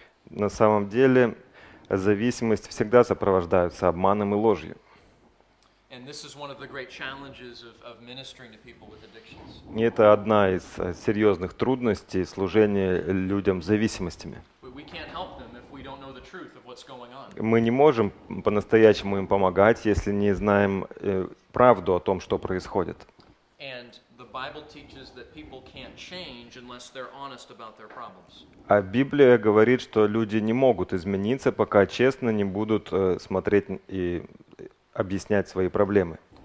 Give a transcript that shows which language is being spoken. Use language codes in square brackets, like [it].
[ru] На самом деле, зависимость всегда сопровождается обманом и ложью. [en] And this is one of the great challenges of ministering to people with addictions. [ru] И это одна из серьезных трудностей служения людям с зависимостями. [en] We can't help them if we don't know the truth of what's going on. [ru] Мы не можем по-настоящему им помогать, если не знаем правду о том, что происходит. [en] And the Bible teaches that people can't change unless they're honest about their problems. [ru] А Библия говорит, что люди не могут измениться, пока честно не будут смотреть и объяснять свои проблемы.